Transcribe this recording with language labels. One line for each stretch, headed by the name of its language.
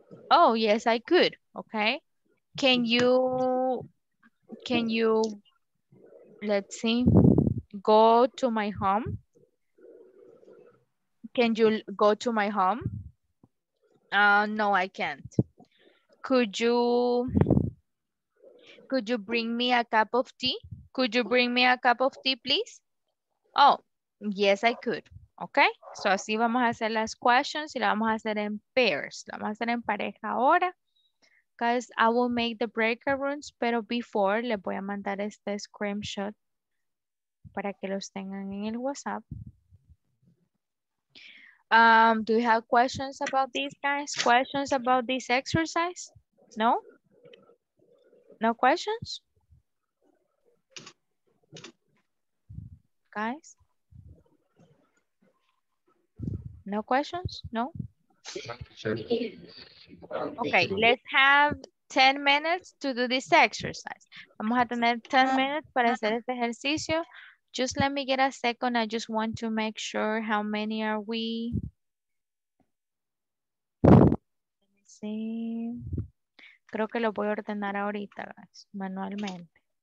English: Oh, yes, I could. Okay. Can you, let's see, go to my home? Can you go to my home? No, I can't. Could you bring me a cup of tea? Could you bring me a cup of tea, please? Oh. Yes, I could. Okay.
Spanish: So, así vamos a hacer las questions y la vamos a hacer en pairs. La vamos a hacer en pareja ahora.
English: Because I will make the breakout rooms.
Spanish: Pero before, le voy a mandar este screenshot para que los tengan en el WhatsApp.
English: Do you have questions about these guys? Questions about this exercise? No? No questions? Guys? No questions? No? Okay, let's have 10 minutes to do this exercise.
Spanish: Vamos a tener 10 minutes para hacer este ejercicio.
English: Just let me get a second. I just want to make sure how many are we. Let me see.
Spanish: Creo que lo voy a ordenar ahorita, guys, manualmente.